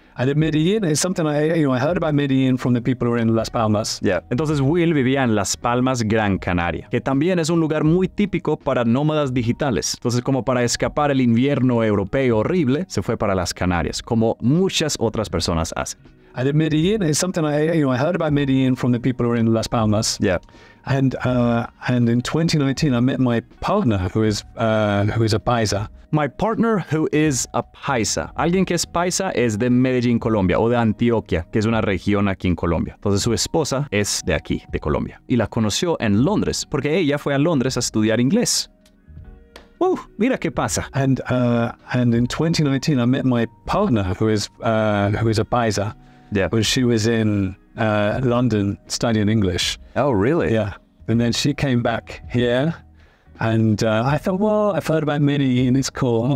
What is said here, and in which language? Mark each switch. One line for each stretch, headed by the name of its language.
English: And at Medellin, it's something I heard about Medellin from the people who are in Las Palmas. Yeah.
Spanish: Entonces, Will vivía en Las Palmas, Gran Canaria, que también es un lugar muy típico para nómadas digitales. Entonces, como para escapar el invierno europeo horrible, se fue para las Canarias, como muchas otras personas hacen.
English: And at Medellin, it's something I heard about Medellin from the people who are in Las Palmas. Yeah. And in 2019, I met my partner, who is a paisa. My partner, who is a paisa.
Spanish: Alguien que es paisa es de Medellín, Colombia, o de Antioquia, que es una región aquí en Colombia. Entonces, su esposa es de aquí, de Colombia. Y la conoció en Londres, porque ella fue a Londres a estudiar inglés. ¡Uh! Mira qué pasa.
English: And in 2019, I met my partner, who is a paisa. Yeah. When she was in... London studying English. Oh, really? Yeah. And then she came back here, and I thought, well, I've heard about Medellin, it's cool.